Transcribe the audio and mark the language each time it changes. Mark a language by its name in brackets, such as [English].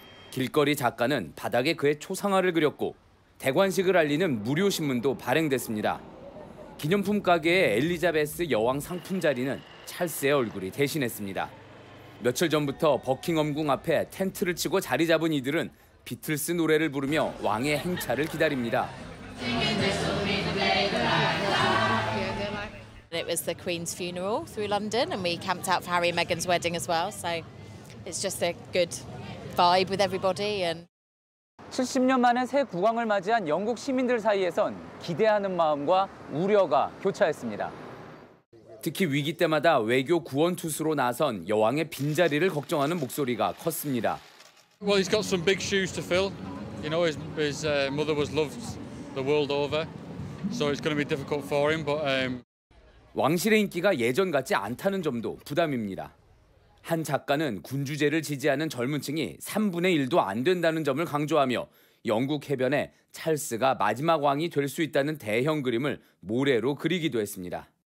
[Korean] 길거리 작가는 바닥에 그의 초상화를 그렸고 대관식을 알리는 무료 신문도 발행됐습니다. 기념품 가게의 엘리자베스 여왕 상품 자리는 찰스의 얼굴이 대신했습니다. 며칠 전부터 버킹엄궁 앞에 텐트를 치고 자리 잡은 이들은 비틀스 노래를 부르며 왕의 행차를 기다립니다. [English] It was the Queen's funeral through London and we camped out for Harry and Meghan's wedding as well. So it's just a good vibe with everybody and [Korean] 70년 만에 새 국왕을 맞이한 영국 시민들 사이에선 기대하는 마음과 우려가 교차했습니다. 특히 위기 때마다 외교 구원 투수로 나선 여왕의 빈자리를 걱정하는 목소리가 컸습니다. [English] Well, he's got some big shoes to fill. You know his mother was loved the world over. So it's going to be difficult for him but [Korean] 왕실의 인기가 예전 같지 않다는 점도 부담입니다. 한 작가는 군주제를 지지하는 젊은 층이 3분의 1도 안 된다는 점을 강조하며 영국 해변에 찰스가 마지막 왕이 될 수 있다는 대형 그림을 모래로 그리기도 했습니다.